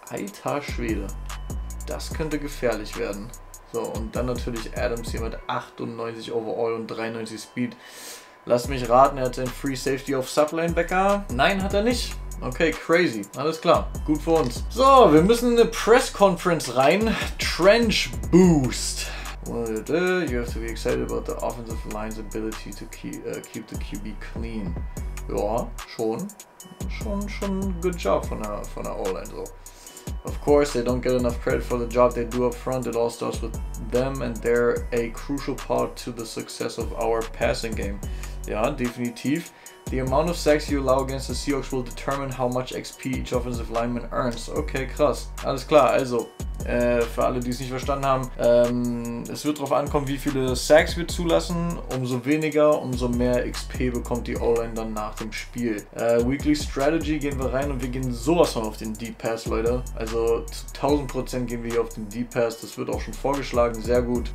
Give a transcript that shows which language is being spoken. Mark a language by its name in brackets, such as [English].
[German] Alter Schwede, das könnte gefährlich werden. So, und dann natürlich Adams hier mit 98 Overall und 93 Speed. Lass mich raten, er hat den Free Safety auf Subline Becker. Nein, hat er nicht. Okay, crazy. Alles klar. Gut für uns. So, wir müssen in eine Press-Conference rein. Trench Boost. [English] You have to be excited about the offensive line's ability to keep the QB clean. [German] Ja, schon. Schon [English] good job [German] von der O-Line. So. [English] Of course, they don't get enough credit for the job they do up front. It all starts with them and they're a crucial part to the success of our passing game. [German] Ja, definitiv. [English] The amount of sacks you allow against the Seahawks will determine how much XP each offensive lineman earns. [German] Okay, krass. Alles klar, also, für alle, die es nicht verstanden haben, es wird darauf ankommen, wie viele Sacks wir zulassen. Umso weniger, umso mehr XP bekommt die O-Line dann nach dem Spiel. Weekly Strategy gehen wir rein und wir gehen sowas von auf den Deep Pass, Leute. Also zu 1000% gehen wir hier auf den Deep Pass. Das wird auch schon vorgeschlagen, sehr gut.